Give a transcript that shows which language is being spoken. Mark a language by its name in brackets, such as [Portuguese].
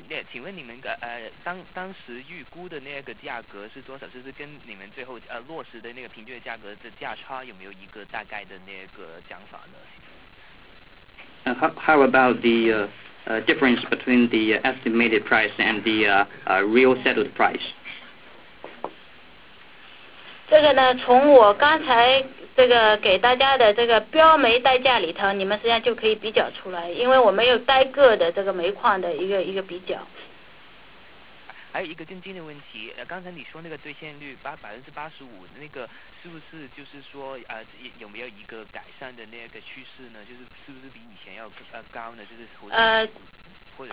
[Chinese] 请问你们当时预估的那个价格是多少？就是跟你们最后落实的那个平均价格的价差有没有一个大概的那个讲法呢？ [English] How about the difference between the estimated price and the real settled price? [Chinese] 这个呢，从我刚才这个给大家的这个标煤代价里头，你们实际上就可以比较出来，因为我们有单个的这个煤矿的一个比较。还有一个更近的问题，刚才你说那个兑现率85%，那个是不是就是说有没有一个改善的那个趋势呢？就是是不是比以前要高呢？就是